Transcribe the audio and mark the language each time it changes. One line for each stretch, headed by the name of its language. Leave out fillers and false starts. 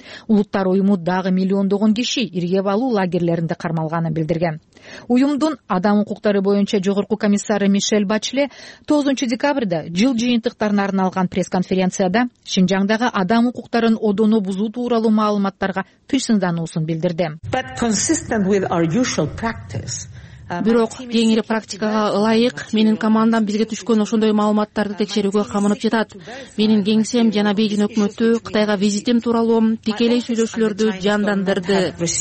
Kyrgyz: Улуттар уюму дагы миллиондогон киши ирге алуу лагерлеринде кармалганын билдирген. Уюмдун адам укуктары боюнча жогорку комиссары Мишель Бачле 9 декабрда жыл жыйынтыктарына арналган пресс-конференцияда Шинжаңдагы адам укуктарын одоно бузуу тууралуу маалыматтарга тынчсыздануусун билдирди.
English: But consistent with our usual practice.
Kyrgyz: Бирок кеңири практикага ылайык менин командам бизге түшкөн ошондой маалыматтарды текшерүүгө камынып жатат. Менин кеңсем жана Бейжин өкмөтү Кытайга визитим тууралуу тикелей сүйлөшүүлөрдү жандандырды.